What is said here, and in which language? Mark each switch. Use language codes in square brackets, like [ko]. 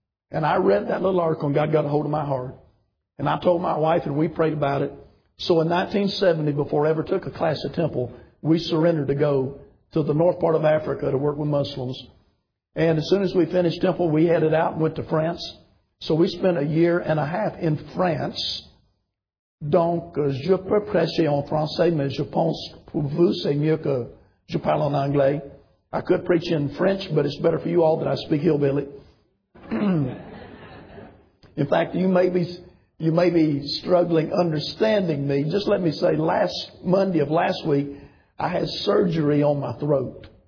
[en] And I read that little article, and God got a hold of my heart. And I told my wife, and we prayed about it. So in 1970, before I ever took a class at Temple, we surrendered to go to the north part of Africa to work with Muslims. And as soon as we finished Temple, we headed out and went to France. So we spent a year and a half in France. [fr] Donc, je peux prêcher en français, mais je pense pour vous, c'est mieux que je parle en anglais. [en] I could preach in French, but it's better for you all that I speak hillbilly. In fact, you may be struggling understanding me. Just let me say, last Monday of last week, I had surgery on my throat.